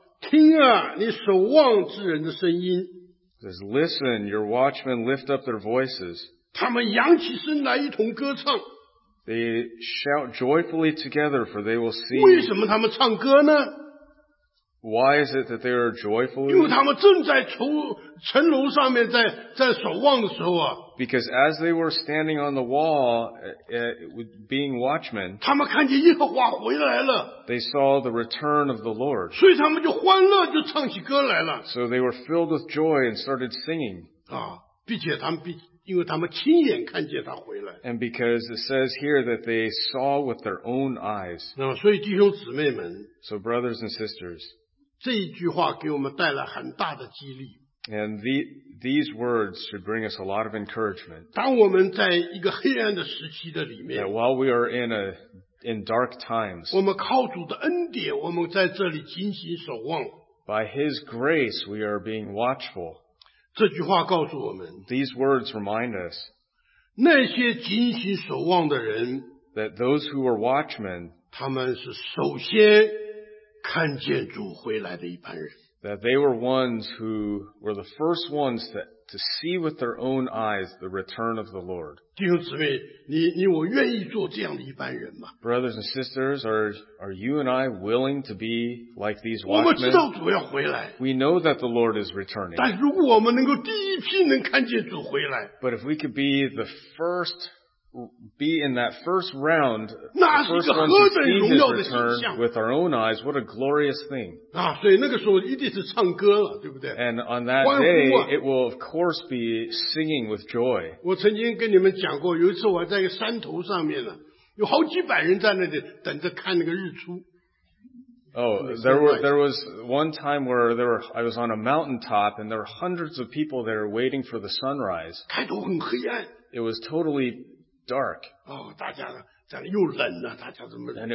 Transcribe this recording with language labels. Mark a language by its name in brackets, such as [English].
[English] says, listen, your watchmen lift up their voices. They shout joyfully together, for they will see. [Chinese] 为什么他们唱歌呢? [English] Why is it that they are joyfully? [Chinese] 因为他们正在城楼上面在守望的时候啊, [English] because as they were standing on the wall, being watchmen, [Chinese] 他们看见耶和华回来了, [English] they saw the return of the Lord. [Chinese] 所以他们就欢乐, [English] so they were filled with joy and started singing. [Chinese] 啊, 并且他们必, 因为他们亲眼看见他回来, [English] and because it says here that they saw with their own eyes. [Chinese] 啊, 所以弟兄姊妹们, [English] so brothers and sisters, [Chinese] 这一句话给我们带来很大的激励。 [English] And these words should bring us a lot of encouragement. [Chinese] 当我们在一个黑暗的时期的里面, [English] that while we are in dark times, [Chinese] 我们靠主的恩典, 我们在这里警醒守望, [English] by His grace, we are being watchful. [Chinese] 这句话告诉我们, [English] these words remind us, [Chinese] 那些警醒守望的人, [English] that those who are watchmen, [Chinese] 他们是首先, [English] that they were ones who were the first ones to see with their own eyes the return of the Lord. [Chinese] 弟兄姊妹,你我愿意做这样的一般人吗? [English] Brothers and sisters, are you and I willing to be like these watchmen? We know that the Lord is returning. But if we could be the first, be in that first round, the first one to see his return with our own eyes, what a glorious thing. [Chinese] 啊, 所以那个时候一定是唱歌了, [English] and on that [Chinese] 欢呼啊, [English] day, it will of course be singing with joy. [Chinese] 我曾经跟你们讲过, 有一次我在一个山头上面啊, 有好几百人在那里等着看那个日出。 [English] Oh, there was one time where I was on a mountaintop and there were hundreds of people there waiting for the sunrise. [Chinese] 开头很黑暗, [English] it was totally dark. [Chinese] Oh, 大家在那又冷了, 大家怎么在那里,